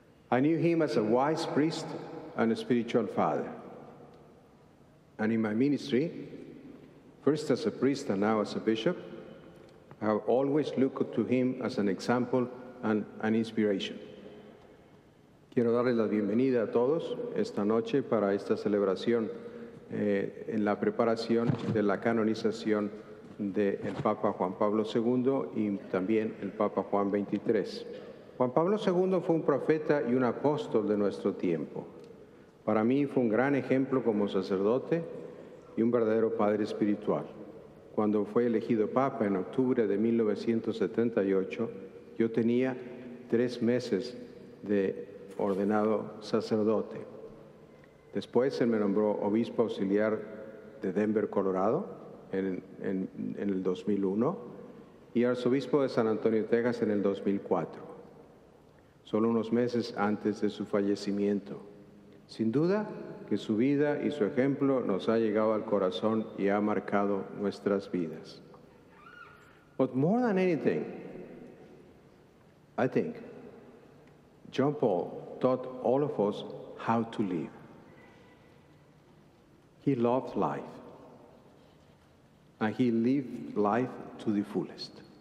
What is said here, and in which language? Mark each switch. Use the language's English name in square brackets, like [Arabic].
[English] I knew him as a wise priest and a spiritual father. And in my ministry, first as a priest and now as a bishop, I have always looked to him as an example and an inspiration. [Spanish] Quiero darles la bienvenida a todos esta noche para esta celebración en la preparación de la canonización de el Papa Juan Pablo II y también el Papa Juan XXIII. Juan Pablo II fue un profeta y un apóstol de nuestro tiempo. Para mí fue un gran ejemplo como sacerdote y un verdadero padre espiritual. Cuando fue elegido Papa en octubre de 1978, yo tenía 3 meses de ordenado sacerdote. Después se me nombró obispo auxiliar de Denver, Colorado, en el 2001, y arzobispo de San Antonio, Texas, en el 2004, solo unos meses antes de su fallecimiento. Sin duda que su vida y su ejemplo nos ha llegado al corazón y ha marcado nuestras vidas. [English] But more than anything, I think John Paul taught all of us how to live. He loved life, and he lived life to the fullest.